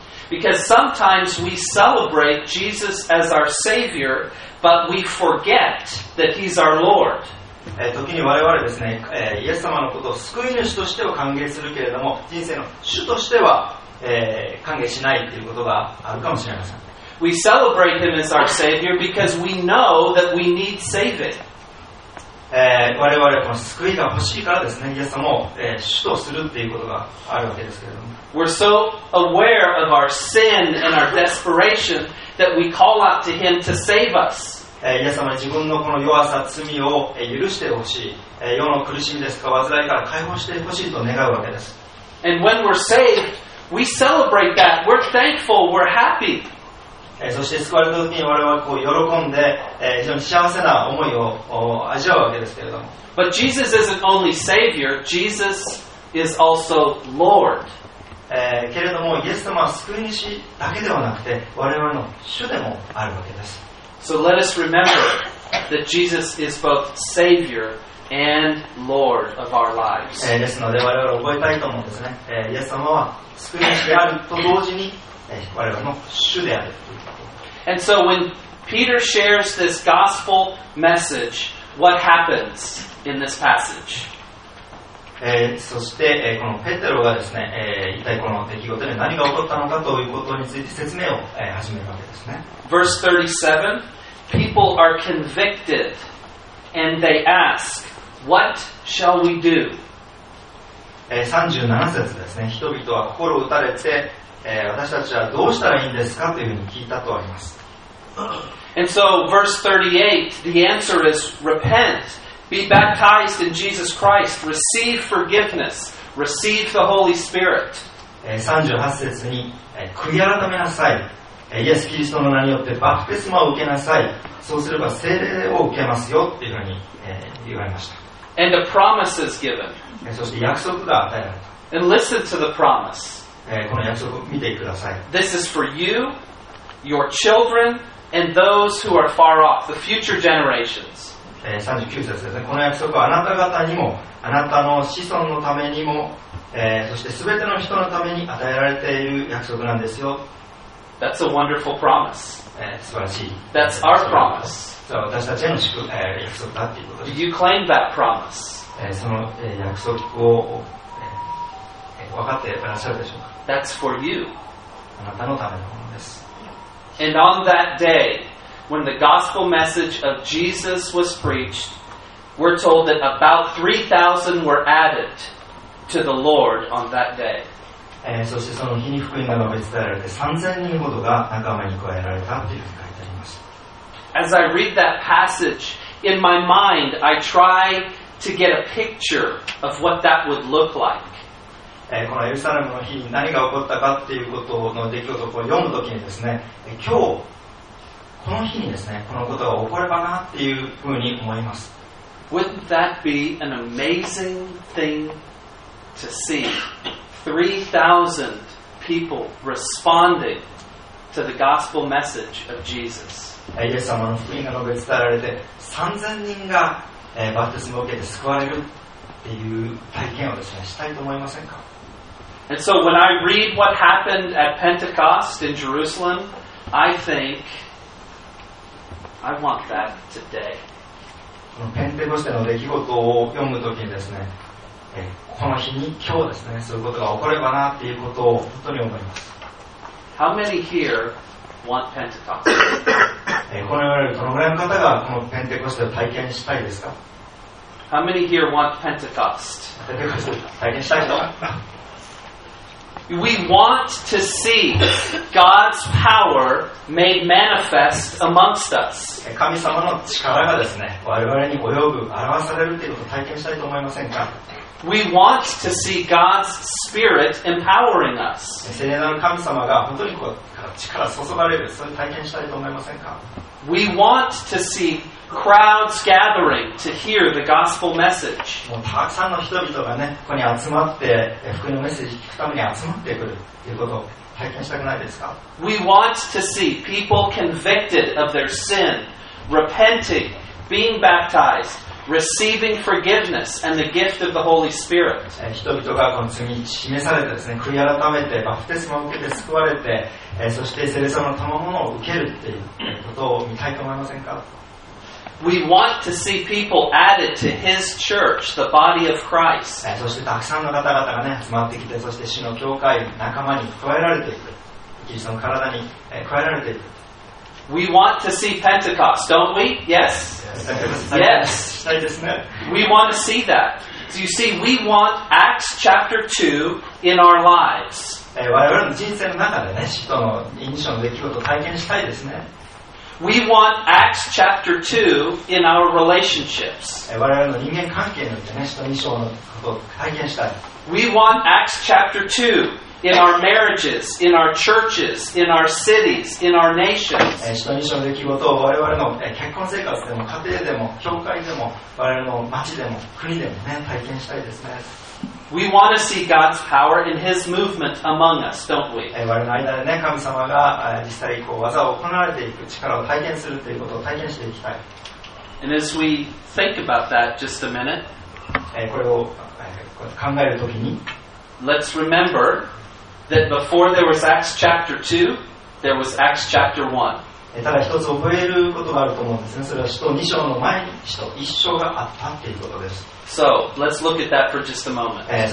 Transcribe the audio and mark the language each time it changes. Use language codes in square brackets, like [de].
[en] Because sometimes we celebrate Jesus as our Savior, but we forget that He's our Lord. [ja] 時に我々ですね、イエス様のことを救い主としては歓迎するけれども、人生の主としては、歓迎しないということがあるかもしれません。 [en] We celebrate Him as our Savior because we know that we need saving. [ja] 我々は救いが欲しいからですね、イエス様を、主とするということがあるわけですけれども。 [en] We're so aware of our sin and our desperation that we call out to Him to save us. [ja] イエス様、自分のこの弱さ、罪を許してほしい。世の苦しみですか、患いから解放してほしいと願うわけです。 [en] And when we're saved, we celebrate that. We're thankful. We're happy. [ja] そして救われた時に我々はこう喜んで、非常に幸せな思いを味わうわけですけれども。 [en] But Jesus isn't only Savior. Jesus is also Lord. [ja] けれどもイエス様は救い主だけではなくて我々の主でもあるわけです。 [en] So let us remember that Jesus is both Savior and Lord of our lives. [ja] ですので我々は覚えたいと思うんですね。イエス様は救い主であると同時に我々の主であるということ。 [en] And so when Peter shares this gospel message, what happens in this passage? [ja] そして、このペテロがですね、一体この出来事で何が起こったのかということについて説明を、始めるわけですね。 [en] Verse 37, people are convicted and they ask, what shall we do? [ja] 37節ですね、人々は心を打たれて、私たちはどうしたらいいんですかというふうに聞いたとあります。 [en] And so, verse 38, the answer is repent. Be baptized in Jesus Christ. Receive forgiveness. Receive the Holy Spirit. [ja] 38節に、悔い改めなさい。イエス・キリストの名によってバプテスマを受けなさい。そうすれば聖霊を受けますよ。というふうに、言われました。 [en] And a promise is given. [ja] そして約束が与えられた。 [en] And listen to the promise. [ja] この約束を見てください。 [en] This is for you, your children, and those who are far off, the future generations. [ja] 39節ですね。この約束はあなた方にも、あなたの子孫のためにも、そして全ての人のために与えられている約束なんですよ。 [en] That's a wonderful promise. [ja] 素晴らしい。 [en] That's our promise. [ja] そう、私たちへの約束だということです。 [en] Do you claim that promise? [ja] その約束を、分かっていらっしゃるでしょうか。 [en] That's for you. [ja] あなたのためのものです。 [en] And on that day,When the gospel message of Jesus was preached, we're told that about 3,000 were added to the Lord on that day. [ja] そしてその日に福音が述べ伝えられて3000人ほどが仲間に加えられたというふうに書いてあります。 [en] As I read that passage, in my mind, I try to get a picture of what that would look like. [ja] このエルサレムの日に何が起こったかっていうことの出来事を読むときにですね、今日この日にですね、このことが起こればなっていうふうに思います。 [en] Wouldn't that be an amazing thing to see? 3,000 people responding to the gospel message of Jesus. [ja] イエス様の福音が述べ伝えられて、3,000 人がバプテスマを受けて救われるっていう体験をですね、したいと思いませんか? [en] And so when I read what happened at Pentecost in Jerusalem, I think... I want that today. [ja] このペンテコステの出来事を読むときにですね、この日に今日ですね、そういうことが起こればなっていうことを本当に思います。 [en] How many here want Pentecost? [ja] この世にどのぐらいの方がこのペンテコステを体験したいですか [en] ？How many here want Pentecost? [ja] ペンテコステ体験したい人。 [en] We want to see God's power made manifest amongst us. [ja] 神様の力がですね、我々に泳ぐ、表されるということを体験したいと思いませんか [en] ？We want to see God's Spirit empowering us. [ja] 聖霊なる神様が本当にこう力注がれる、それを体験したいと思いませんか [en] ？We want to see crowds gathering to hear the gospel message. [ja] もうたくさんの人々がね、ここに集まって福音のメッセージ聞くために集まってくるということを体験したくないですか [en] ？We want to see people convicted of their sin, repenting, being baptized, receiving forgiveness and the gift of the Holy Spirit. [ja] 人々がこの罪に示されてですね、悔い改めてバプテスマを受けて救われて、そして聖霊様の賜物を受けるっていうことを見たいと思いませんか？ [en] We want to see people added to His church, the body of Christ. [ja] そしてたくさんの方々がね、集まってきて、そして主の教会仲間に加えられていく。キリストの体に加えられていく。 [en] We want to see Pentecost, don't we? Yes. Yes. [ja] したいですね。 [en] We want to see that. So you see, we want Acts chapter 2 in our lives. [ja] 我々の人生の中でね、使徒の印象の出来事を体験したいですね。 [en] We want Acts chapter 2 in our relationships. [ja] 我々の人間関係のね、使徒二章のことを体験したい。 [en] We want Acts chapter 2 in our marriages, in our churches, in our cities, in our nations. [ja] 使徒二章の出来事を我々の結婚生活でも、家庭でも、教会でも、我々の町でも、国でもね、体験したいですね。 [en] We want to see God's power in His movement among us, don't we? [ja] 我々の間でね、神様が実際こう技を行われていく力を体験するということを体験していきたい。 [en] And as we think about that just a minute, [ja] これを考えるときに、 [en] let's remember that before there was Acts chapter 2, there was Acts chapter 1. [ja] ただ一つ覚えることがあると思うんですね。それは使徒二章の前に使徒一章があったっていうことです。 [en] So, let's look at that for just a moment.